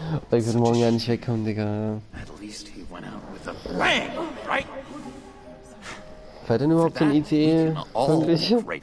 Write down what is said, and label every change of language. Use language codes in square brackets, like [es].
[de] Ich würde morgen ja nicht wegkommen, Digga. [en] At least he went out with a bang, right? [de] Fährt denn überhaupt so ein ICE pünktlich?